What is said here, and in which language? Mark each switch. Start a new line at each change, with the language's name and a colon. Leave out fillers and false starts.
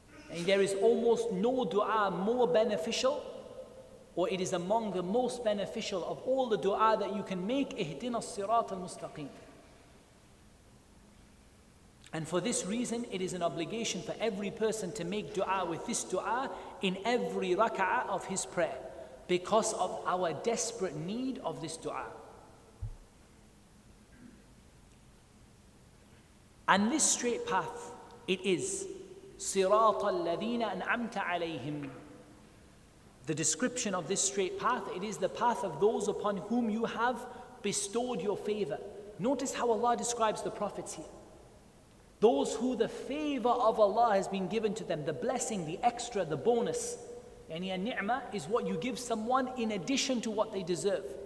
English: And there is almost no dua more beneficial, or it is among the most beneficial of all the dua that you can make,
Arabic: ihdina as-sirat al-mustaqim.
English: And for this reason, it is an obligation for every person to make dua with this dua in every rak'ah of his prayer, because of our desperate need of this dua. And this straight path, it is
Arabic: صراط الذين أنعمت عليهم.
English: The description of this straight path, it is the path of those upon whom you have bestowed your favor. Notice how Allah describes the prophets here. Those who the favor of Allah has been given to them, the blessing, the extra, the bonus. Yani a ni'mah is what you give someone in addition to what they deserve.